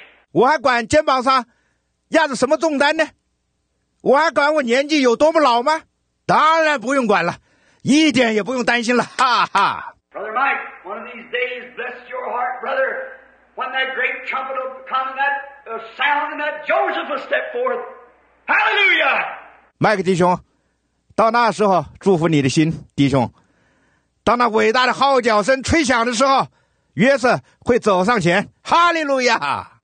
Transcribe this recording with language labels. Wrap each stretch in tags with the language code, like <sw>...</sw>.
<zh>我还管肩膀上压着什么重担呢？我还管我年纪有多么老吗？当然不用管了，一点也不用担心了，哈哈。</zh> <en>Brother Mike, one of these days, bless your heart, brother, when that great trumpet will come, that sound, and that Joseph will step forth. Hallelujah!</en> <zh>Mike 弟兄，到那时候祝福你的心，弟兄。当那伟大的号角声吹响的时候，约瑟会走上前，哈利路亚。</zh>